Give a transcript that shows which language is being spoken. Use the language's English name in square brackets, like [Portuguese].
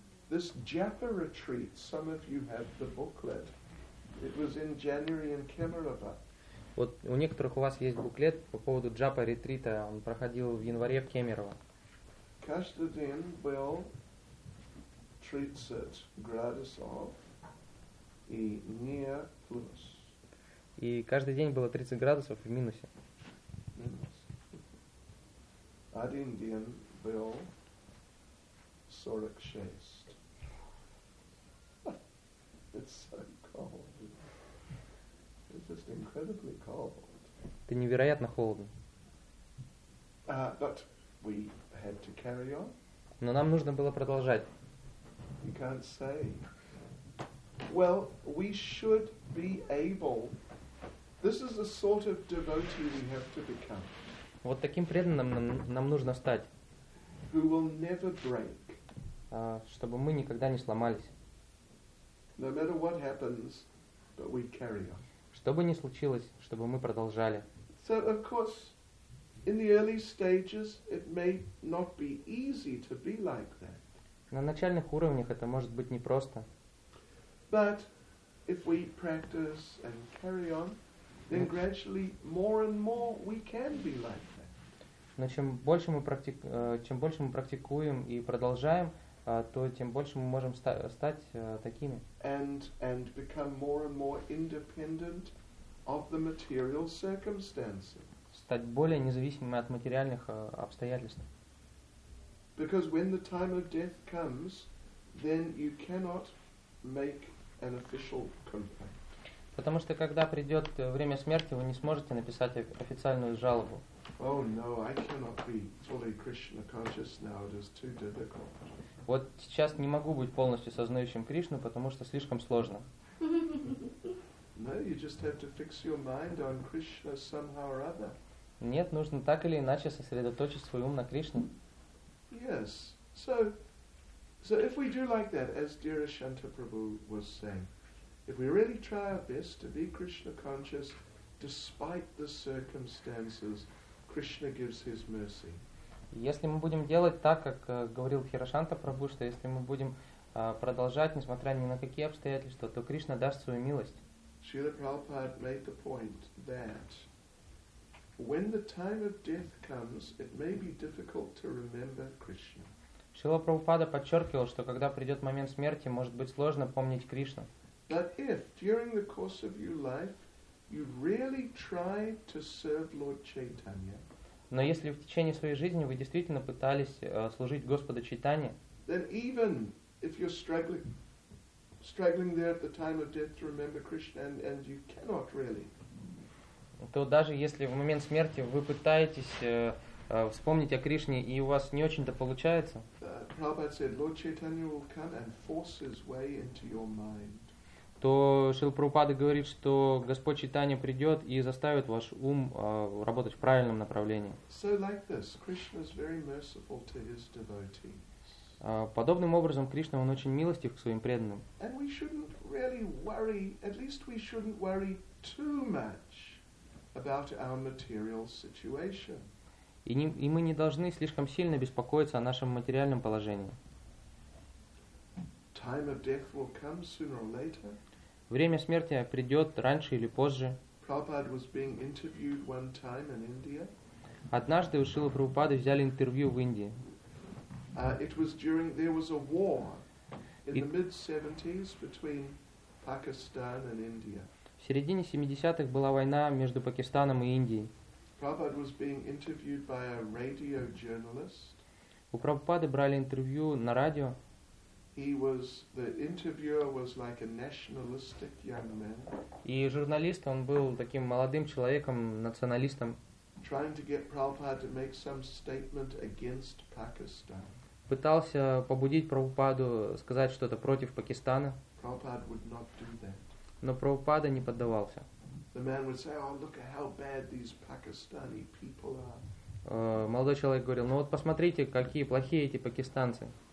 [English] This Japa retreat, some of you have the booklet. It was in January in Kemerovo. [Russian] Вот у некоторых у вас есть буклет по поводу Japa ретрита. Он проходил в январе в Кемерово. Каждый день был тридцать градусов и [English] near plus. [Russian] И каждый день было 30 градусов в минусе. Минус. Один день был 46. [English] It's so cold. It's just incredibly cold. [Russian] Это невероятно холодно. [English] But we had to carry on. [Russian] Но нам нужно было продолжать. [English] You can't say. Well, we should be able. This is the sort of devotee we have to become. [Russian] Вот таким преданным нам нужно стать. [English] Who will never break. [Russian] Чтобы мы никогда не сломались. [English] No matter what happens, but we carry on. [Russian] Что бы ни случилось, чтобы мы продолжали. [English] So, of course, in the early stages, it may not be easy to be like that. [Russian] На начальных уровнях это может быть непросто. [English] But if we practice and carry on, then gradually more and more we can be like that. [Russian] Но чем больше мы практикуем и продолжаем, то тем больше мы можем стать такими. [English] And become more and more independent of the material circumstances. [Russian] Стать более независимыми от материальных обстоятельств. [English] Because when the time of death comes, then you cannot make an official complaint. [Russian] Потому что когда придет время смерти, вы не сможете написать официальную жалобу. [English] Oh no, I cannot be fully Krishna conscious now. It is too difficult. [Russian] Вот сейчас не могу быть полностью сознающим Кришну, потому что слишком сложно. [English] No, you just have to fix your mind on Krishna somehow or other. [Russian] Нет, нужно так или иначе сосредоточить свой ум на Кришне. [English] Yes. So if we do like that, as dear Ashanta Prabhu was saying, if we really try our best to be Krishna conscious despite the circumstances, Krishna gives his mercy. [Russian] Если мы будем делать так, как говорил Хирошанта Прабху, что если мы будем продолжать, несмотря ни на какие обстоятельства, то Кришна даст свою милость. [English] Srila Prabhupada made the point that when the time of death comes, it may be difficult to remember Krishna. [Russian] Srila Prabhupada подчеркивал, что когда придет момент смерти, может быть сложно помнить Кришну. [English] But if during the course of your life you really try to serve Lord Chaitanya. [Russian] Но если в течение своей жизни вы действительно пытались служить Господу Чайтанье, [English] then even if you're struggling there at the time of death to remember Krishna and you cannot really, [Russian] то даже если в момент смерти вы пытаетесь вспомнить о Кришне и у вас не очень-то получается, [English] Prabhupada said Lord Chaitanya will come and force his way into your mind. [Russian] То Шрила Прабхупада говорит, что Господь Чайтанья придет и заставит ваш ум работать в правильном направлении. [English] So like this, Krishna is very merciful to his devotees. [Russian] Подобным образом Кришна, он очень милостив к своим преданным. [English] And we shouldn't really worry, at least we shouldn't worry too much about our material situation. [Russian] И мы не должны слишком сильно беспокоиться о нашем материальном положении. [English] Time of death will come sooner or later. [Russian] Время смерти придет раньше или позже. [English] Prabhupada was being interviewed one time in India. [Russian] Однажды у Шрилы Прабхупады взяли интервью в Индии. [English] There was a war in the mid-70s between Pakistan and India. [Russian] В середине 70-х была война между Пакистаном и Индией. [English] Prabhupada was being interviewed by a radio journalist. [Russian] У Прабхупады брали интервью на радио. [English] The interviewer was like a nationalistic young man. [Russian] И журналист, он был таким молодым человеком, националистом. [English] Trying to get Prabhupada to make some statement against Pakistan. [Russian] Пытался побудить Прабхупаду сказать что-то против Пакистана. [English] Prabhupada would not do that. [Russian] Но Прабхупада не поддавался. [English] The man would say, "Oh, look at how bad these Pakistani people are." [Russian] Молодой человек говорил, ну вот посмотрите, какие плохие эти пакистанцы.